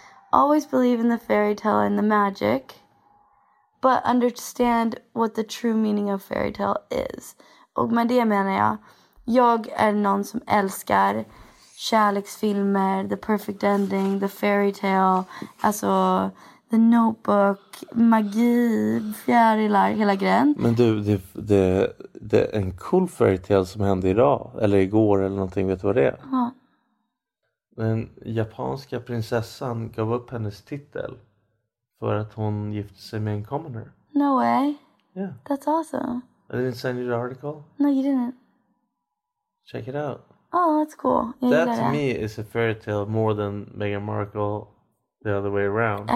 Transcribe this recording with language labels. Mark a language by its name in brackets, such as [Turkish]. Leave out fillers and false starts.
[English] Always believe in the fairy tale and the magic, but understand what the true meaning of fairy tale is. [Swedish] Och med det menar jag, jag är någon som älskar kärleksfilmer, [English] the perfect ending, the fairy tale, [Swedish] alltså the notebook, magi, fjärilar, hela grejen. Men du, det är en cool fairy tale som hände idag, eller igår, eller någonting, vet du vad det är? Ja. Den japanska prinsessan gav upp hennes titel för att hon gifte sig med en commoner. [English] No way. Yeah. That's awesome. I didn't send you the article. No, you didn't. Check it out. Oh, that's cool. That to me is a fairy tale more than Meghan Markle the other way around.